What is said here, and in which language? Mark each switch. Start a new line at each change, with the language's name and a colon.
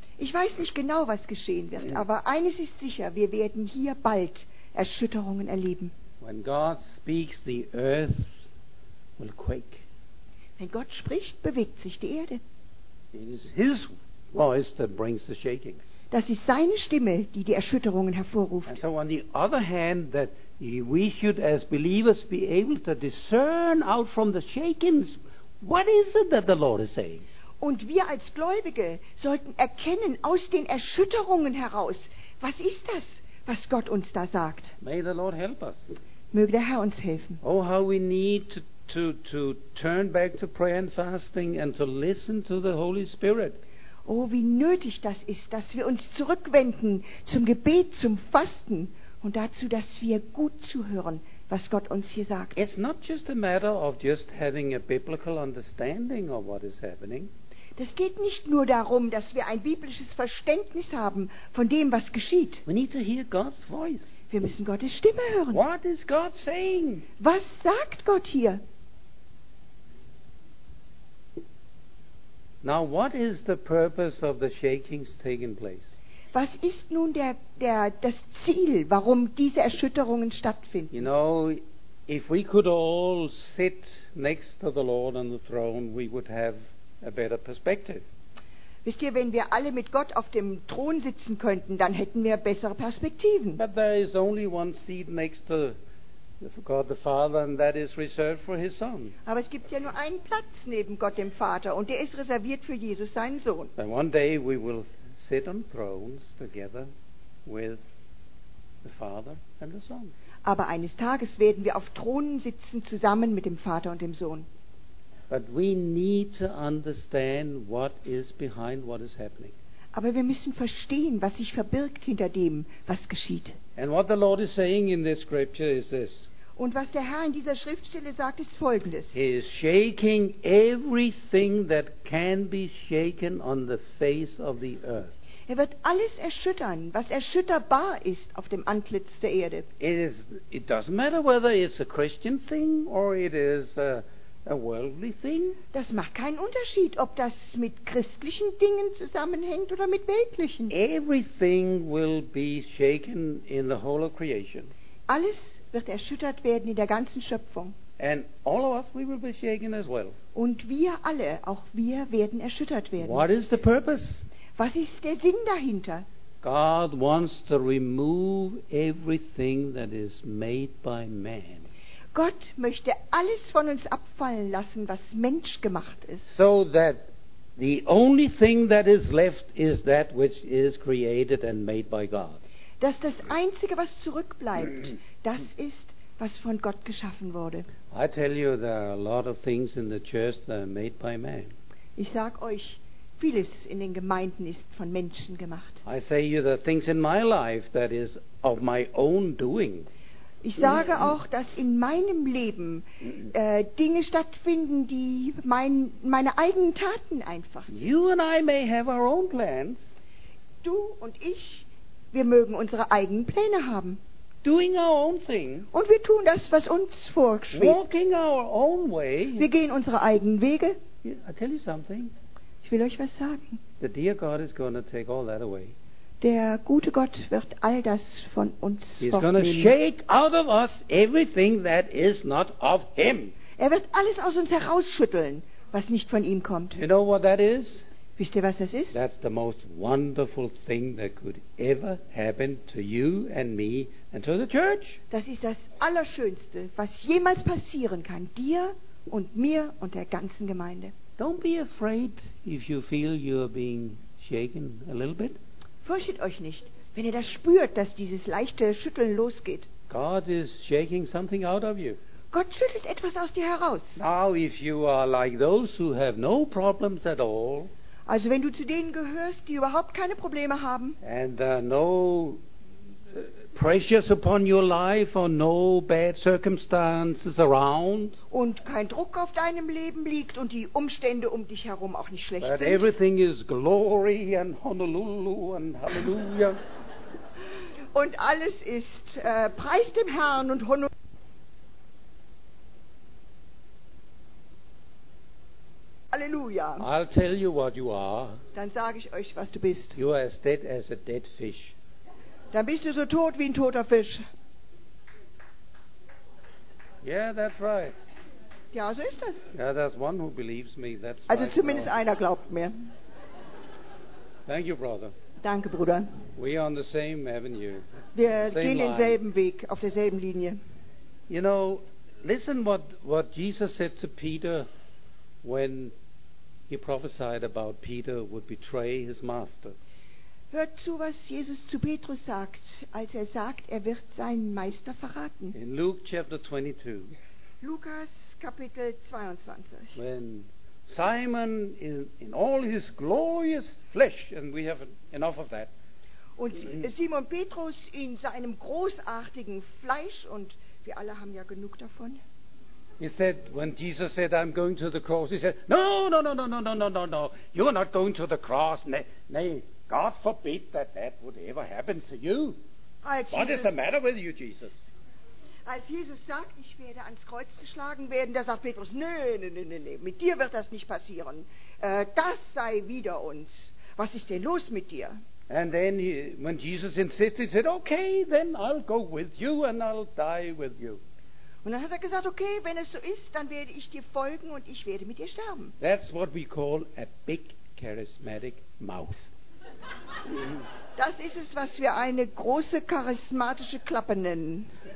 German: Ich weiß nicht genau, was geschehen wird, aber eines ist sicher, wir werden hier bald Erschütterungen erleben.
English: When God speaks, the earth will quake.
German: Wenn Gott spricht, bewegt sich die Erde.
English: It is his voice that brings the shakings.
German: Das ist seine Stimme, die die Erschütterungen hervorruft.
English: And so on the other hand, that we should as believers be able to discern out from the shakings, what is it that the Lord is saying?
German: Und wir als Gläubige sollten erkennen aus den Erschütterungen heraus, was ist das, was Gott uns da sagt?
English: May the Lord help us.
German: Möge der Herr uns helfen.
English: Oh, how we need to turn back to prayer and fasting and to listen to the Holy Spirit.
German: Oh, wie nötig das ist, dass wir uns zurückwenden zum Gebet, zum Fasten und dazu, dass wir gut zuhören, was Gott uns hier sagt.
English: It's not just a matter of just having a biblical understanding of what is happening.
German: Das geht nicht nur darum, dass wir ein biblisches Verständnis haben von dem, was geschieht.
English: We need to hear God's voice.
German: Wir müssen Gottes Stimme hören.
English: What is God saying?
German: Was sagt Gott hier?
English: Now, what is the purpose of the shakings taking place?
German: Was ist nun das Ziel, warum diese Erschütterungen stattfinden?
English: You know, if we could all sit next to the Lord on the throne, we would have a better perspective.
German: Wisst ihr, wenn wir alle mit Gott auf dem Thron sitzen könnten, dann hätten wir bessere Perspektiven.
English: But there is only one seat next to God the Father, and that is reserved for his son.
German: Aber es gibt ja nur einen Platz neben Gott dem Vater, und der ist reserviert für Jesus, seinen Sohn.
English: And one day we will sit on thrones together with the Father and the Son.
German: Aber eines Tages werden wir auf Thronen sitzen zusammen mit dem Vater und dem Sohn.
English: But we need to understand what is behind what is happening.
German: Aber wir müssen verstehen, was sich verbirgt hinter dem, was geschieht.
English: And what the Lord is saying in this scripture is this.
German: Und was der Herr in dieser Schriftstelle sagt, ist Folgendes.
English: He is shaking everything that can be shaken on the face of the earth.
German: Er wird alles erschüttern, was erschütterbar ist auf dem Antlitz der Erde.
English: It doesn't matter whether it's a Christian thing or it is a worldly thing.
German: Das macht keinen Unterschied, ob das mit christlichen Dingen zusammenhängt oder mit weltlichen.
English: Everything will be shaken in the whole of creation.
German: Alles wird erschüttert werden in der ganzen Schöpfung.
English: And all of us, we will be shaken as well.
German: Und wir alle, auch wir, werden erschüttert werden.
English: What is the purpose?
German: Was ist der Sinn dahinter?
English: God wants to remove everything that is made by man.
German: Gott möchte alles von uns abfallen lassen, was menschgemacht ist.
English: So that the only thing that is left is that which is created and made by God.
German: Dass das Einzige, was zurückbleibt, das ist, was von Gott geschaffen wurde.
English: I tell you, there are a lot of things in the church that are made by man.
German: Ich sag euch, vieles in den Gemeinden ist von Menschen gemacht.
English: I say you, there are things in my life that is of my own doing.
German: Ich sage auch, dass in meinem Leben Dinge stattfinden, die meine eigenen Taten einfach sind.
English: You and I may have our own plans.
German: Du und ich, wir mögen unsere eigenen Pläne haben.
English: Doing our own thing.
German: Und wir tun das, was uns vorschwebt.
English: Walking our own way.
German: Wir gehen unsere eigenen Wege.
English: Yeah, I tell you something.
German: Ich will euch was sagen.
English: The dear God is going to take all that away.
German: Der gute Gott wird all das von uns fortnehmen.
English: He's going to shake out of us everything that is not of him.
German: Er wird alles aus uns herausschütteln, was nicht von ihm kommt.
English: You know what that is?
German: Wisst ihr, was das ist?
English: That's the most wonderful thing that could ever happen to you and me and to the church.
German: Das ist das Allerschönste, was jemals passieren kann, dir und mir und der ganzen Gemeinde.
English: Don't be afraid if you feel you're being shaken a little bit.
German: Fürchtet euch nicht, wenn ihr das spürt, dass dieses leichte Schütteln losgeht.
English: God is shaking something out of you.
German: Gott schüttelt etwas aus dir heraus.
English: Now if you are like those who have no problems at all.
German: Also wenn du zu denen gehörst, die überhaupt keine Probleme haben.
English: And no pressures upon your life or no bad circumstances around.
German: Und kein Druck auf deinem Leben liegt und die Umstände um dich herum auch nicht schlecht sind.
English: That everything is glory and Honolulu and hallelujah.
German: Und alles ist preis dem Herrn und Honolulu. Halleluja.
English: I'll tell you what you are.
German: Dann sage ich euch, was du bist.
English: You are as dead as a dead fish.
German: Dann bist du so tot wie ein toter Fisch.
English: Yeah, that's right.
German: Ja, so ist das.
English: Yeah, there's one who believes me. That's
German: also
English: right,
German: zumindest Lord. Einer glaubt mir.
English: Thank you, brother.
German: Danke, Bruder.
English: We are on the same avenue.
German: Wir
English: same
German: gehen line. Denselben Weg, auf derselben Linie.
English: You know, listen what Jesus said to Peter. When he prophesied about Peter would betray his master.
German: Hört zu, was Jesus zu Petrus sagt, als er sagt, er wird seinen Meister verraten.
English: In Luke chapter 22.
German: Lukas Kapitel 22.
English: When Simon in all his glorious flesh, and we have enough of that.
German: Und Simon Petrus in seinem großartigen Fleisch, und wir alle haben ja genug davon.
English: He said, when Jesus said, I'm going to the cross, he said, no, no, no, no, no, no, no, no, no, you're not going to the cross. Nay, God forbid that that would ever happen to you. What is the matter with you, Jesus?
German: Als Jesus sagt, ich werde ans Kreuz geschlagen werden, da sagt Petrus, nee, mit dir wird das nicht passieren. Das sei wider uns. Was ist denn los mit dir?
English: And then when Jesus insisted, he said, okay, then I'll go with you and I'll die with you.
German: Und dann hat er gesagt, okay, wenn es so ist, dann werde ich dir folgen und ich werde mit dir sterben.
English: That's what we call a big charismatic mouth.
German: Das ist es, was wir eine große charismatische Klappe nennen.